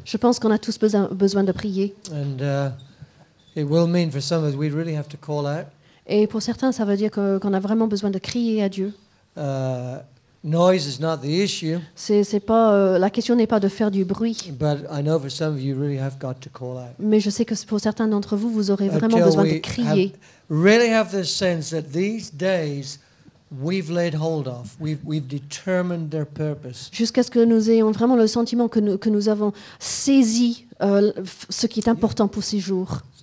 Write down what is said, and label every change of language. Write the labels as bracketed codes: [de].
[fr] Je pense qu'on a tous besoin de prier. [en] And it will mean for some that we really have to call out. [fr] Et pour certains, ça veut dire qu'on a vraiment besoin de crier à Dieu. [en] Noise is not the issue. [fr] La question n'est pas de faire du bruit. [en] But I know for some of you really have got to call out. [fr] Mais je sais que pour certains d'entre vous, vous aurez vraiment besoin de crier. [en] Really have the sense that these days we've laid hold of, we've determined their purpose. [fr] Jusqu'à ce que nous ayons vraiment le sentiment que nous avons saisi ce qui est important pour ces jours.